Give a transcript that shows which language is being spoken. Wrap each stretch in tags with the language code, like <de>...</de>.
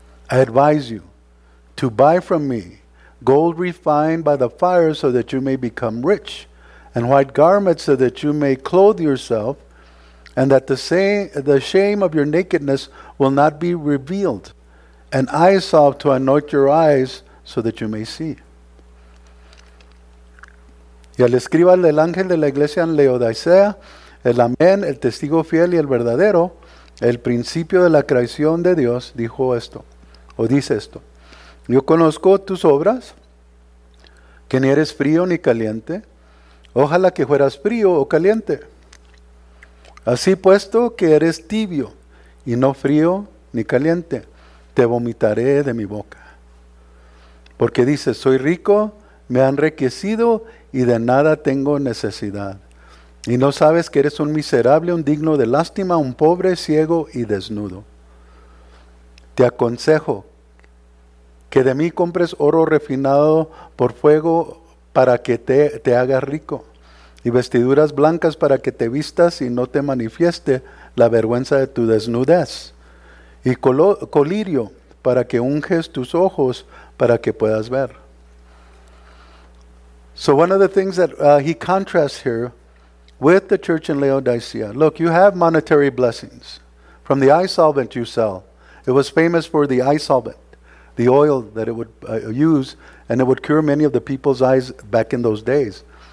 <en>I advise you to buy from me gold refined by the fire so that you may become rich, and white garments so that you may clothe yourself, and that the shame of your nakedness will not be revealed, and eye salve to anoint your eyes so that you may see.</en> <es>Y al escriba del ángel de la iglesia en Laodicea, el amén, el testigo fiel y el verdadero, el principio de la creación de Dios, dijo esto, o dice esto. Yo conozco tus obras, que ni eres frío ni caliente. Ojalá que fueras frío o caliente. Así puesto que eres tibio y no frío ni caliente, te vomitaré de mi boca. Porque dices, soy rico, me han enriquecido y de nada tengo necesidad. Y no sabes que eres un miserable, un digno de lástima, un pobre, ciego y desnudo. Te aconsejo que de mí compres oro refinado por fuego para que te hagas rico, y vestiduras blancas para que te vistas y no te manifieste la vergüenza de tu desnudez, y colirio para que unjes tus ojos para que puedas ver.</es> <en>So one of the things that he contrasts here with the church in Laodicea. Look, you have monetary blessings. From the eye solvent you sell. It was famous for the eye solvent, the oil that it would use, and it would cure many of the people's eyes back in those days.</en>